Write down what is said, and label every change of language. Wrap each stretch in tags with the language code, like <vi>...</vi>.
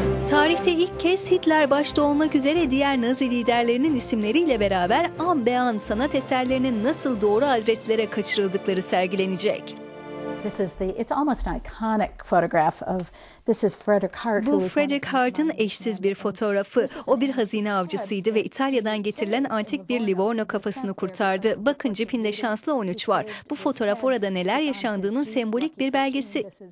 <tr>Tarihte ilk kez Hitler başta olmak üzere diğer Nazi liderlerinin isimleriyle beraber an be an sanat eserlerinin nasıl doğru adreslere kaçırıldıkları sergilenecek.</tr> <en>It's almost an iconic photograph of this is Frederick Hart.</en> <tr>Bu Frederick Hart'ın eşsiz bir fotoğrafı. O bir hazine avcısıydı ve İtalya'dan getirilen antik bir Livorno kafasını kurtardı. Bakın cipinde şanslı 13 var. Bu fotoğraf orada neler yaşandığının sembolik bir belgesi.</tr>